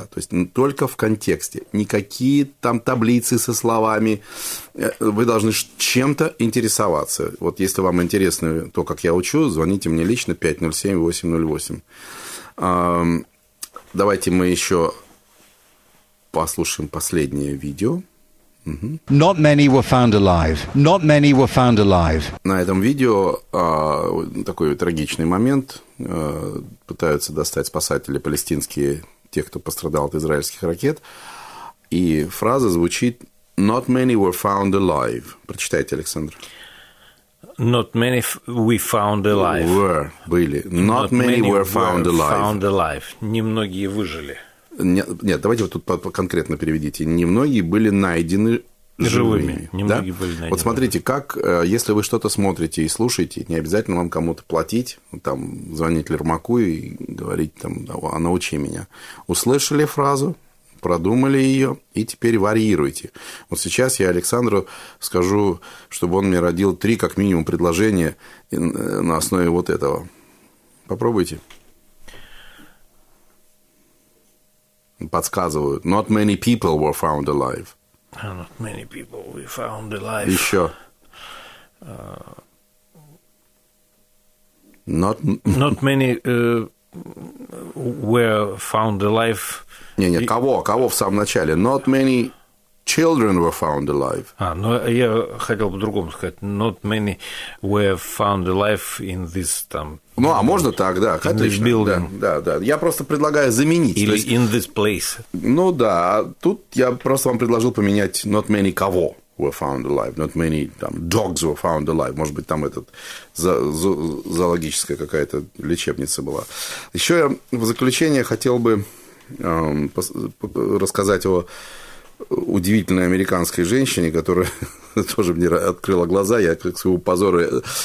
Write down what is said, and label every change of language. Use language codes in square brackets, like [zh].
[ru] То есть, только в контексте. Никакие там таблицы со словами. Вы должны чем-то интересоваться. Вот если вам интересно то, как я учу, звоните мне лично 507-808. Давайте мы еще послушаем последнее видео. [en] Not many were found alive. Not many were found alive. [ru] На этом видео такой трагичный момент. Пытаются достать спасатели палестинские, те, кто пострадал от израильских ракет. И фраза звучит [en] Not many were found alive. [ru] Прочитайте, Александр. [en] Not many we found alive. [ru] Were, были. [en] Not many were found alive. Found alive. [ru] Немногие выжили. Нет, давайте вот тут конкретно переведите. Немногие были найдены живыми. Немногие были найдены. Вот смотрите, как, если вы что-то смотрите и слушаете, не обязательно вам кому-то платить, там, звонить Лермаку и говорить, там, научи меня. Услышали фразу, продумали ее и теперь варьируйте. Вот сейчас я Александру скажу, чтобы он мне родил три, как минимум, предложения на основе вот этого. Попробуйте. Подсказывают. [en] Not many people were found alive. Not many people we found alive. [ru] Еще. [en] Not many were found alive. [ru] Не-не, кого? Кого в самом начале? [en] Not many children were found alive. [ru] А, ну, я хотел по-другому сказать. [en] Not many were found alive in this, там... [ru] Ну, а можно так, да, отлично. Да, да, да. Я просто предлагаю заменить. Или есть, [en] in this place. [ru] Ну, да, тут я просто вам предложил поменять [en] not many [ru] кого [en] were found alive, not many [ru] там, [en] dogs were found alive. [ru] Может быть, там этот зоологическая какая-то лечебница была. Еще я в заключение хотел бы рассказать о удивительной американской женщине, которая тоже мне открыла глаза, я как своего позора